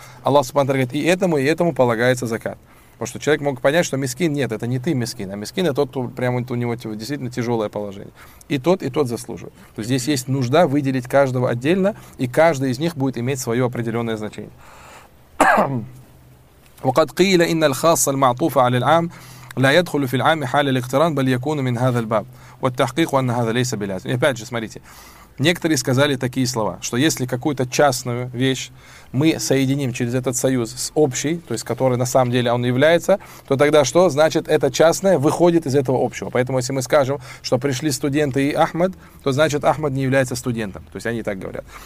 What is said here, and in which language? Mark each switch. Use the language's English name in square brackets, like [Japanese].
[Russian] Аллах Субхану Тааля говорит: и этому полагается закат. Потому что человек мог понять, что мискин — нет, это не ты мискин, а мискин — это тот, кто прямо у него действительно тяжелое положение. И тот заслуживает. То есть здесь есть нужда выделить каждого отдельно, и каждый из них будет иметь свое определенное значение. [Arabic] وقد قيل إن الخاص المعطوف على العام لا يدخل في العام حال الاقتران بل يكون من هذا الباب والتحقيق أن هذا ليس بلازم. [Russian] Опять же, смотрите, некоторые сказали такие слова, что если какую-то частную вещь мы соединим через этот союз с общей, то есть которой на самом деле он является, то тогда что? Значит, это частное выходит из этого общего. Поэтому если мы скажем, что пришли студенты и Ахмад, то значит Ахмад не является студентом. То есть они так говорят.